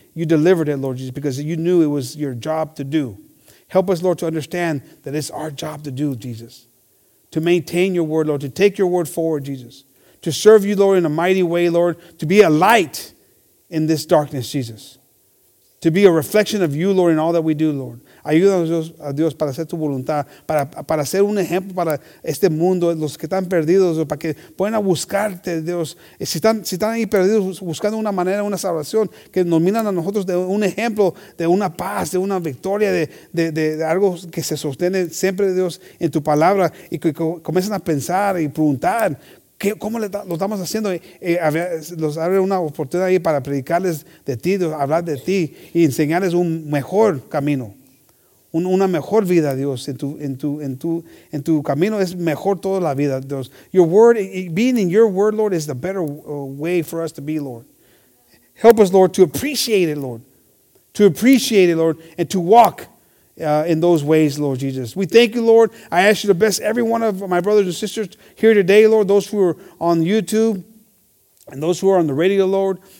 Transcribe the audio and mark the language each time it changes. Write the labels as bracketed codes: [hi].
[en] You delivered it, Lord Jesus, because you knew it was your job to do. Help us, Lord, to understand that it's our job to do, Jesus. To maintain your word, Lord. To take your word forward, Jesus. To serve you, Lord, in a mighty way, Lord. To be a light in this darkness, Jesus. To be a reflection of you, Lord, in all that we do, Lord. [es] Ayúdanos a Dios para hacer tu voluntad, para ser un ejemplo para este mundo, los que están perdidos, para que puedan buscarte, Dios. Si están ahí perdidos buscando una manera, una salvación, que nos miran a nosotros de un ejemplo, de una paz, de una victoria, de algo que se sostiene siempre, Dios, en tu palabra, y que comiencen a pensar y preguntar, ¿cómo lo estamos haciendo? Los abre una oportunidad ahí para predicarles de ti, Dios, hablar de ti y enseñarles un mejor camino. Una mejor vida, Dios, en tu camino es mejor toda la vida, Dios. [en] Your word, being in your word, Lord, is the better way for us to be, Lord. Help us, Lord, to appreciate it, Lord. To appreciate it, Lord, and to walk in those ways, Lord Jesus. We thank you, Lord. I ask you to bless every one of my brothers and sisters here today, Lord, those who are on YouTube and those who are on the radio, Lord.